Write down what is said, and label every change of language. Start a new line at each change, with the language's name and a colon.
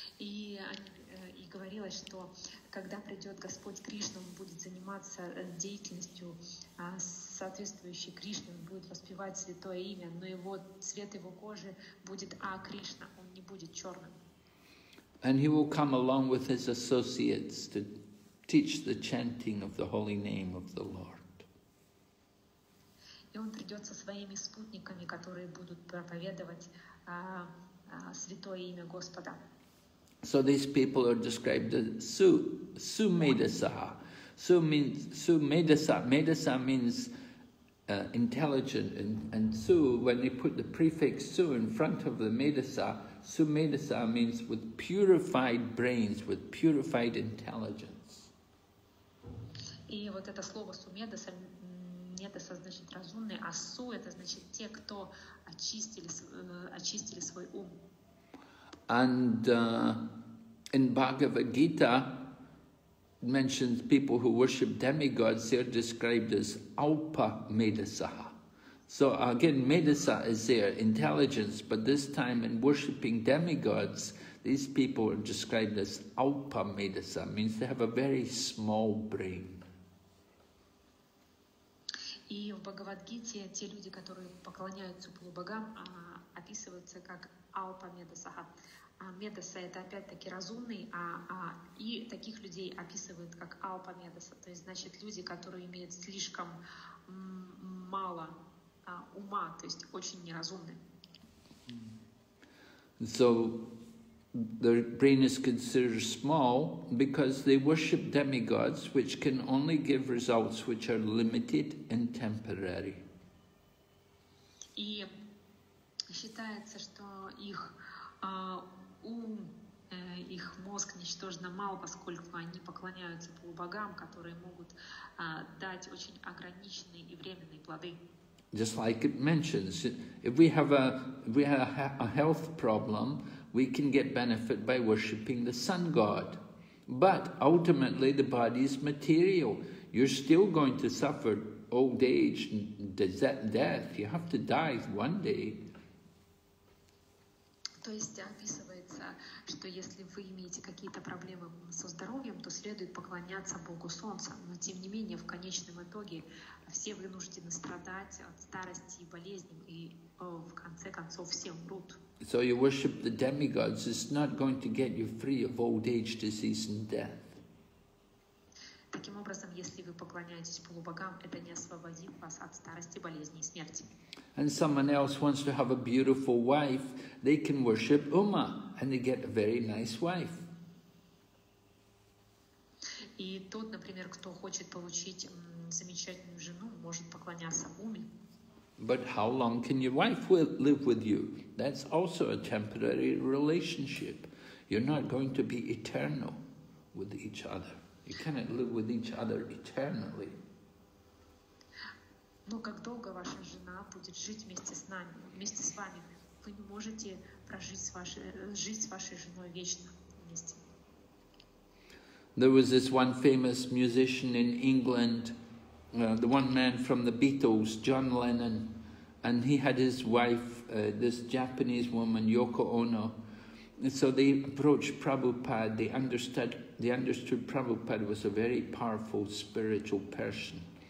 Russian: И говорилось, что когда придет Господь Кришна, он будет заниматься деятельностью, соответствующей Кришне, он будет воспевать святое имя, но его цвет его кожи будет Акришна, он не будет черным.
English: And he will come along with his associates to teach the chanting of the holy name of the Lord.
Russian: И он придет со своими спутниками, которые будут проповедовать святое имя Господа.
English: So these people are described as Sumedasaha. Medasa means intelligent, and Su, when they put the prefix Su in front of the Medasa, Sumedasa means with purified brains, with purified intelligence.
Russian: И вот это слово Sumedasa, Медаса значит разумный, а су это значит те, кто очистили свой ум.
English: And in Bhagavad Gita mentions people who worship demigods, they are described as alpa medasaha. So again, medasa is their intelligence, but this time in worshiping demigods, these people are described as alpa medasa, means they have a very small brain.
Russian: И в Бхагавад-гите те люди, которые поклоняются полубогам, описываются как алпа-медасаха. Медаса — это опять-таки разумный, и таких людей описывают как алпа-медаса. То есть, значит, люди, которые имеют слишком мало ума, то есть очень неразумны.
English: So their brain is considered small because they worship demigods, which can only give results which are limited and temporary.
Russian: И считается, что их ум, их мозг ничтожно мал, поскольку они поклоняются полубогам, которые могут дать очень ограниченные и временные плоды.
English: Just like it mentions, if we have a health problem, we can get benefit by worshipping the sun god. But ultimately the body is material. You're still going to suffer old age and death. You have to die one day.
Russian: То есть описывается, что если вы имеете какие-то проблемы со здоровьем, то следует поклоняться Богу Солнца. Но тем не менее, в конечном итоге все вынуждены страдать от старости и болезней, и в конце концов все умрут.
English: So you worship the demigods, it's not going to get you free of old age, disease and death.
Russian: Таким образом, если вы поклоняетесь полубогам, это не освободит вас от старости, болезни и смерти.
English: And someone else wants to have a beautiful wife, they can worship Uma and they get a very nice wife.
Russian: И тот, например, кто хочет получить замечательную жену, может поклоняться Уме.
English: But how long can your wife live with you? That's also a temporary relationship. You're not going to be eternal with each other. You cannot live with each other eternally.
Russian: Но как долго ваша жена будет жить вместе с нами, вместе с вами? Вы не можете прожить жить с вашей женой вечно вместе.
English: There was this one famous musician in England, the one man from the Beatles, John Lennon. And he had his wife, this Japanese woman, Yoko Ono. And so they approached Prabhupada. They understood Prabhupada was a very powerful spiritual person.